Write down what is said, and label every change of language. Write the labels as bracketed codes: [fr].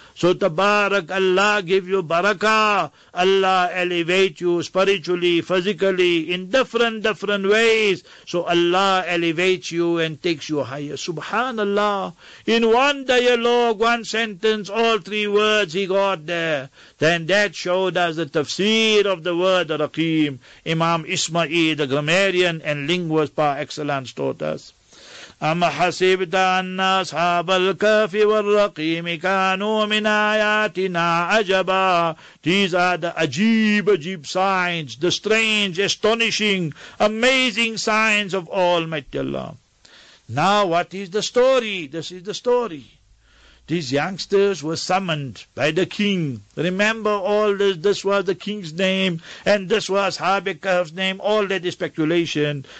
[en] So Tabarak, Allah give you barakah. Allah elevate you spiritually, physically, in different ways. So Allah elevates you and takes you higher. Subhanallah. In one dialogue, one sentence, all three words he got there. Then that showed us the tafsir of the word Raqim. Imam Ismail, the grammarian and linguist par excellence, taught us. [ar] أم حسبت أن أصحاب الكهف والرقيم كانوا من آياتنا عجبا. [en] These are the ajib signs, the strange, astonishing, amazing signs of Almighty Allah. Now what is the story? This is the story. These youngsters were summoned by the king. Remember all this, this was the king's name, and this was Ashab al-Kahf's name, all that is speculation.